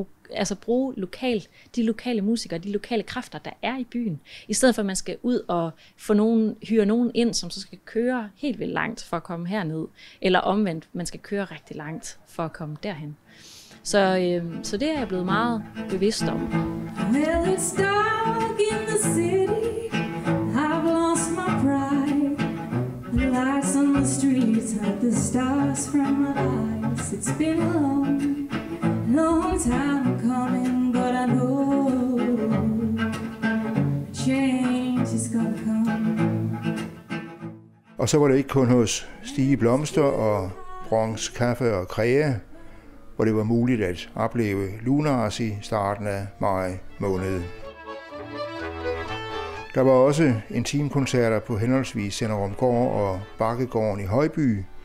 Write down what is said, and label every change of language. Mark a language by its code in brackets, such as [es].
[da] Altså bruge de lokale musikere, de lokale kræfter, der er i byen. I stedet for, at man skal ud og få nogen, hyre nogen ind, som så skal køre helt vildt langt for at komme herned. Eller omvendt, man skal køre rigtig langt for at komme derhen. Så det er jeg blevet meget bevidst om. [en] Well, it's dark in the city. I've lost my pride. The lights on the streets hide the stars from my eyes. It's been a long, long time coming, but I know change is gonna come. [da] Og så var det ikke kun hos Stige Blomster og Bronx Kaffe og Krea, hvor det var muligt at opleve Lunars i starten af maj måned. Der var også intimkoncerter på henholdsvis Senderumgård og Bakkegården i Højby.